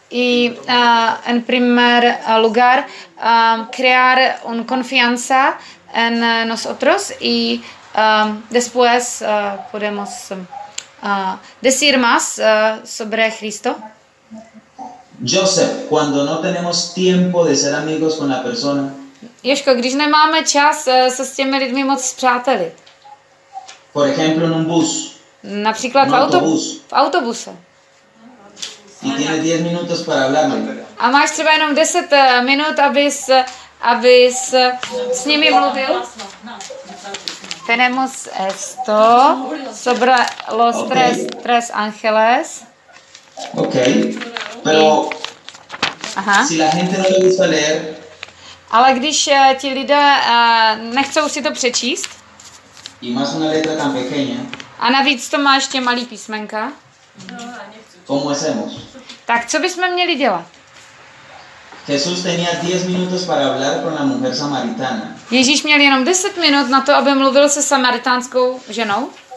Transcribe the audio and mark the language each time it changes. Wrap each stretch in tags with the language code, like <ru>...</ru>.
<es>Y en primer lugar crear una confianza en nosotros y después podemos decir más sobre Cristo. Joseph, cuando no tenemos tiempo de ser amigos con la persona.</es> <cs>Joško, když nemáme čas se s těmi lidmi moc spřátelit.</cs> <es>Por ejemplo, en un bus.</es> <cs>Například</cs> <es>un autobus.</es> <cs>V autobuse.</cs> <es>Y tienes 10 minutos para hablarme.</es> <cs>A máš třeba jenom 10 minut, abys s nimi mluvil.</cs> <es>Tenemos esto sobre los tres ángeles. Okay. Pero si la gente no lo gusta leer.</es> <cs>Ale když ti lidé nechcou si to přečíst.</cs> <es>Y más una letra tan pequeña.</es> <cs>A navíc to má ještě malý písmenka.</cs> <es>¿Cómo hacemos?</es> <cs>Tak co bychom měli dělat?</cs> <es>Jesús tenía 10 minutos para hablar con la mujer samaritana.</es> <cs>Ježíš měl jenom 10 minut na to, aby mluvil se samaritánskou ženou.</cs>